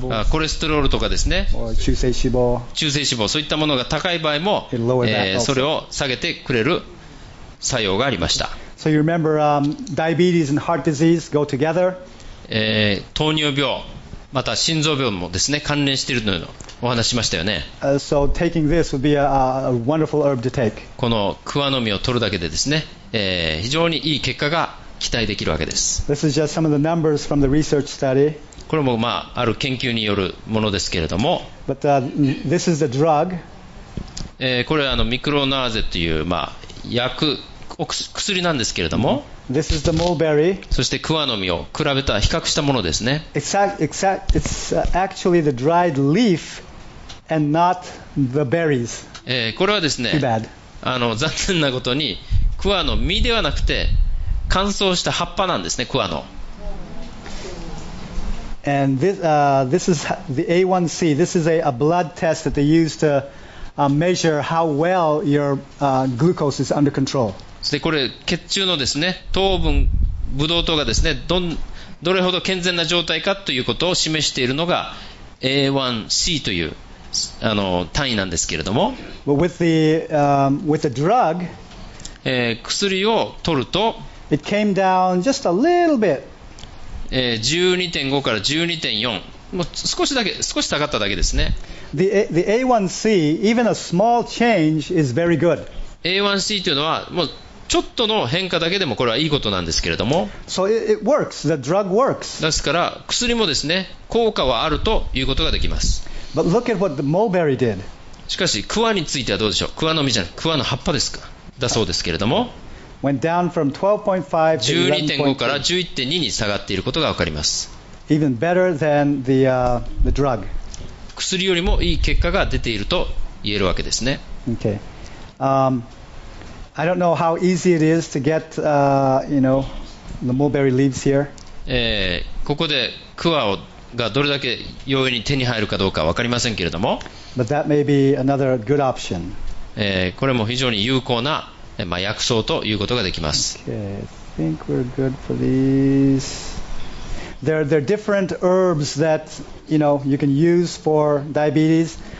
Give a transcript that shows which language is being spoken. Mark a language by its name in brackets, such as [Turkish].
[Japanese] コレステロールとかですね中性脂肪そういったものが高い場合も、それを下げてくれる作用がありました。 [English] So you remember, diabetes and heart disease go together. [Japanese] 糖尿病また心臓病もですね関連しているというのをお話しましたよね。 [English] So taking this would be a wonderful herb to take. [Japanese] このクワの実を取るだけでですね、非常にいい結果が期待できるわけです。 [English] This is just some of the numbers from the research study [Japanese] これも、まあ、ある研究によるものですけれども [English] But, this is the drug. [Japanese] これはミクロナーゼという、まあ、薬なんですけれども [English] this is the mulberry. [Japanese] そしてクワの実を比べた比較したものですね [English] It's actually the dried leaf and not the berries. [Japanese] これはですね残念なことにクワの実ではなくて乾燥した葉っぱなんですねクワの [English] And this is the A1C. This is a blood test that they use to measure how well your glucose is under control. [Japanese] でこれ血中のですね糖分ブドウ糖がですねどれほど健全な状態かということを示しているのが A1C という単位なんですけれども。 [English] But with the drug, [Japanese] 薬を取ると [English] it came down just a little bit. [Japanese] 12.5 から12.4 もう少し下がっただけですね。 [English] The A1C, even a small change is very good. [Japanese] A1C というのはもうちょっとの変化だけでもこれはいいことなんですけれども、 [English] so、it works. The drug works. [Japanese] ですから薬もですね効果はあるということができます。 [English] But look at what the mulberry did. [Japanese] しかし桑についてはどうでしょう。桑の実じゃない、桑の葉っぱですか、だそうですけれども、 [English] went down from 12.5 to [Japanese] 11.5 から 11.2 に下がっていることが分かります。 [English] Even better than the drug. [Japanese] 薬よりもいい結果が出ていると言えるわけですね。 [English] OK、I don't know how easy it is to get, you know, the mulberry leaves here. [Japanese] ここで桑がどれだけ容易に手に入るかどうかわかりませんけれども。 [English] But that may be another good option. [Japanese] これも非常に有効な、まあ、薬草ということができます。 [English] Okay, I think we're good for these. There are different herbs that you know you can use for diabetes.